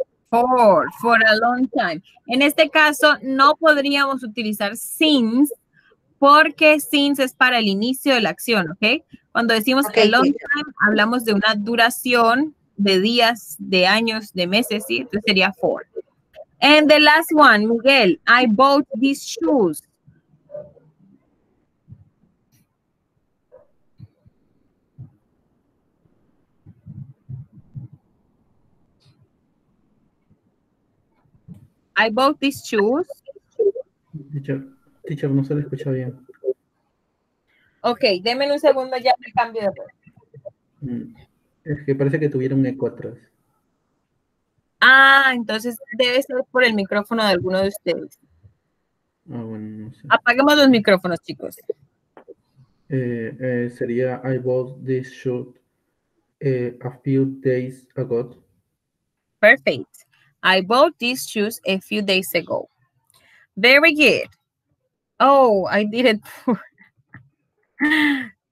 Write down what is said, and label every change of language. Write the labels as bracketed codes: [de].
[en] For a long time. [es] En este caso, no podríamos utilizar [en] since, [es] porque since es para el inicio de la acción, ¿ok? Cuando decimos okay, a long time, hablamos de una duración de días, de años, de meses, ¿sí? Entonces sería for. [en] And the last one, Miguel, I bought these shoes. I bought these shoes. [es] Teacher, no se le escucha bien. Ok, denme un segundo, ya me cambio de voz. Es que parece que tuvieron un eco atrás. Ah, entonces debe ser por el micrófono de alguno de ustedes. Ah, bueno, no sé. Apaguemos los micrófonos, chicos. [en] Sería, I bought this shoes a few days ago. Perfect. I bought these shoes a few days ago. Very good. Oh, I did it.